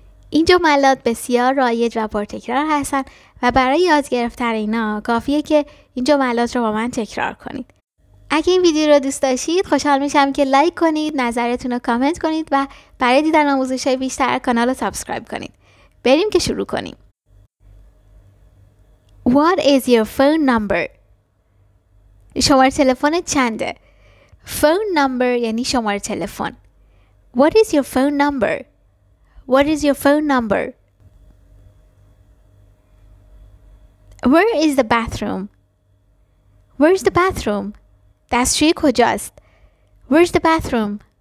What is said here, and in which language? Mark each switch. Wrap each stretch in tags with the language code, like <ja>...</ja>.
<fa>این جملات بسیار رایج و پرتکرار هستن و برای یاد گرفتن اینا کافیه که این جملات رو با من تکرار کنید. اگه این ویدیو رو دوست داشتید خوشحال میشم که لایک کنید، نظرتون رو کامنت کنید و برای دیدن آموزش‌های بیشتر کانال رو سابسکرایب کنید. بریم که شروع کنیم.</fa> <en>What is your phone number?</en> <fa>شماره تلفن چنده؟</fa> <en>Phone number</en> <fa>یعنی شماره تلفن.</fa> <en>What is your phone number? What is your phone number? Where is the bathroom? Where is the bathroom?</en> <fa>دستشویی کجاست؟</fa> <en>Where is the bathroom?</en>